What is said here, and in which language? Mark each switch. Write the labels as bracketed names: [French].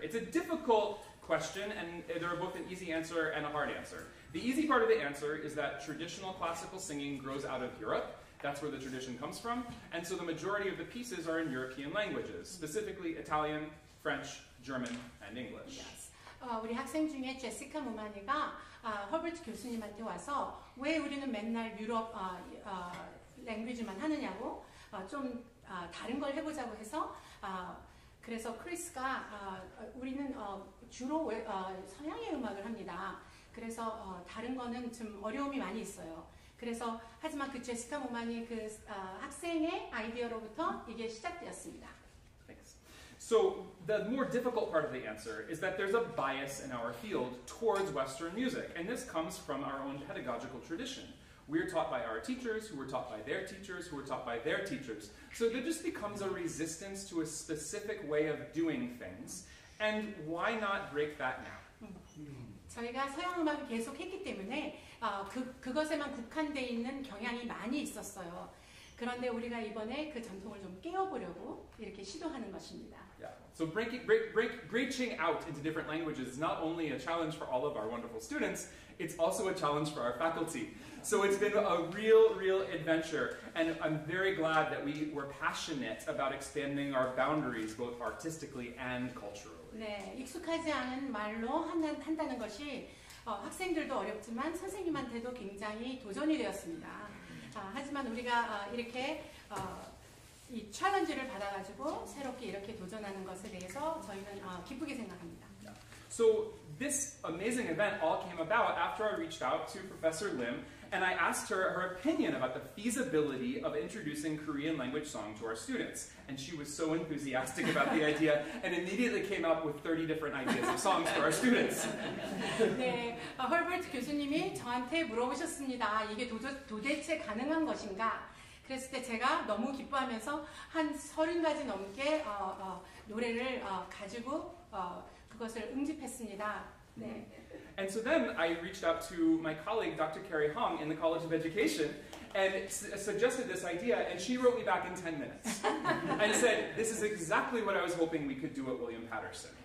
[English] It's a difficult question, and there are both an easy answer and a hard answer. The easy part of the answer is that traditional classical singing grows out of Europe. That's where the tradition comes from. And so the majority of the pieces are in European languages, specifically Italian, French, German, and English. Yes. [Korean] 우리 학생 중에 제시카 모마니가 허버트 교수님한테 와서 왜 우리는 맨날 유럽 랭귀지만 하느냐고 좀 다른 걸 해보자고 해서 그래서 크리스가 우리는 주로 서양의 음악을 합니다. 그래서 다른 거는 좀 어려움이 많이 있어요. 그래서 하지만 그 제시카 모마니 그 학생의 아이디어로부터 이게 시작되었습니다. [English] So the more difficult part of the answer is that there's a bias in our field towards Western music, and this comes from our own pedagogical tradition. We're taught by our teachers, who were taught by their teachers, who were taught by their teachers. So there just becomes a resistance to a specific way of doing things, and why not break that now? [Korean] 저희가 서양 음악을 계속 했기 때문에 그것에만 국한되어 있는 경향이 많이 있었어요. 그런데 우리가 이번에 그 전통을 좀 깨워보려고 이렇게 시도하는 것입니다. [English] Yeah. So breaching out into different languages is not only a challenge for all of our wonderful students, it's also a challenge for our faculty. So it's been a real adventure, and I'm very glad that we were passionate about expanding our boundaries both artistically and culturally. [Korean] 네, 익숙하지 않은 말로 한다는 것이 학생들도 어렵지만 선생님한테도 굉장히 도전이 되었습니다. 하지만 우리가 이렇게 이 챌린지를 받아가지고 새롭게 이렇게 도전하는 것에 대해서 저희는 기쁘게 생각합니다. [English] So this amazing event all came about after I reached out to Professor Lim and I asked her opinion about the feasibility of introducing Korean language song to our students. And she was so enthusiastic about the idea and immediately came up with 30 different ideas of songs for our students. [Korean] 네, 허버트 교수님이 저한테 물어보셨습니다. 이게 도대체 가능한 것인가? 그랬을 때 제가 너무 기뻐하면서 한 서른 가지 넘게 노래를 가지고 그것을 응집했습니다. 네. [English] And so then I reached out to my colleague Dr. Carrie Hong in the College of Education and suggested this idea and she wrote me back in 10 minutes and said this is exactly what I was hoping we could do at William Paterson.